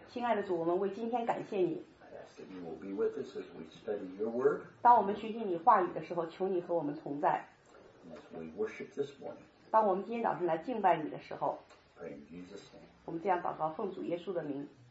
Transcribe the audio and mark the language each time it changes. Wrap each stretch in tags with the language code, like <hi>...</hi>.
<zh>亲爱的主，我们为今天感谢你。</zh> <en>That you will be with us as we study your word.</en> <zh>当我们学习你话语的时候，求你和我们同在。</zh> <en>As we worship this morning.</en> <zh>当我们今天早上来敬拜你的时候。</zh> <en>Pray in Jesus' name.</en> <zh>我们这样祷告，奉主耶稣的名。</zh>